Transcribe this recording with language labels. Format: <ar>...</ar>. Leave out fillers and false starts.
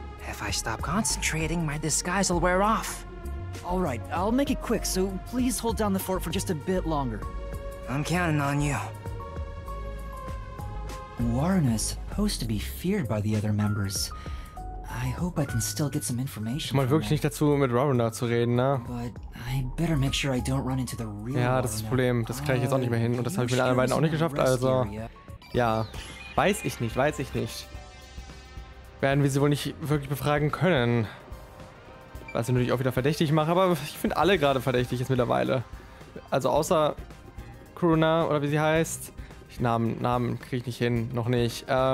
<en>If I stop concentrating, my disguise will wear off. All right, I'll make it quick, so please hold down the fort for just a bit longer. I'm counting on you. Waruna is supposed to be feared by the other members. I hope I can still get some information.</en> <de>Mal wirklich nicht dazu, mit Waruna zu reden, ne?</de> <en>But I better make sure I don't run into the real.</en> <de>Ja, das ist das Problem. Das kriege ich jetzt auch nicht mehr hin. Und das habe ich mit den anderen beiden auch nicht geschafft, also. Ja. Weiß ich nicht. Werden wir sie wohl nicht wirklich befragen können. Was ich natürlich auch wieder verdächtig mache, aber ich finde alle gerade verdächtig jetzt mittlerweile. Also außer Kurana oder wie sie heißt. Namen kriege ich nicht hin, noch nicht.</de>